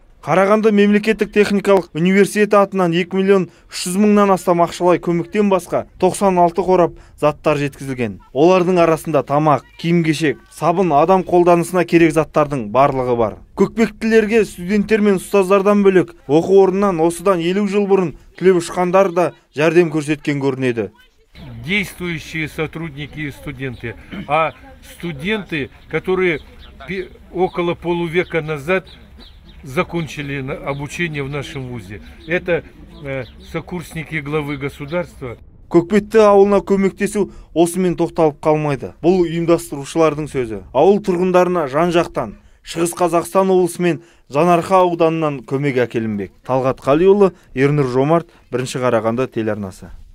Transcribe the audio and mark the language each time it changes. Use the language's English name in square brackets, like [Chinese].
[Kazakh] Қарағанды мемлекеттік техникалық университеті атынан 2 миллион 300 мыңнан астам ақшалай көмектен басқа 96 қорап заттар жеткізілген. Олардың арасында тамақ, киім-кешек, сабын, адам қолданысына керек заттардың барлығы бар. Көкпектілерге студенттер мен ұстаздардан бөлек оқу орнынан осыдан 50 жыл бұрын түлеп ұшқандар да жәрдем көрсеткен көрінеді. [Russian] Действующие сотрудники и студенты, а студенты, которые около полувека назад закончили обучение в нашем вузе, это сокурсники главы государства. [Kazakh] Көкпетті ауылына көмектесу осымен тоқталып қалмайды. Бұл ұйымдастырушылардың сөзі. Ауыл тұрғындарына жан жақтан Шығыс Қазақстан облысымен Жанарқа ауданынан көмек әкелінбек. Талғат Қалиұлы, Ернұр Жомарт, 1-ші Қарағанды телеарнасы.